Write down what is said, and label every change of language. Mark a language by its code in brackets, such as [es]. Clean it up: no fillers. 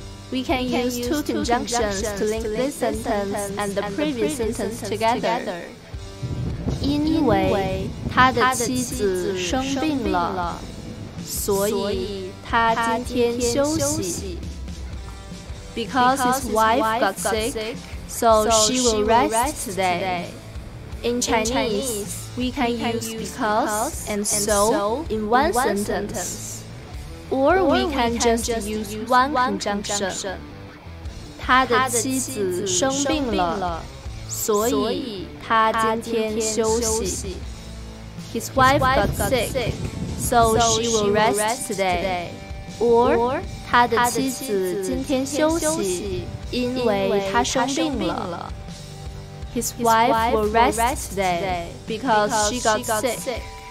[en] We can use two conjunctions to link this sentence and the previous sentence together [zh] 因为他的妻子生病了所以他今天休息 [en] Because his wife got sick So she will rest today. In Chinese, we can use because and so in one sentence. Or we can just use one conjunction. [zh] 她的妻子生病了，所以她今天休息。 [en] His wife got sick, so she will rest today. [zh] Or 她的妻子今天休息。因为他生病了 [en] His wife will rest today because she got sick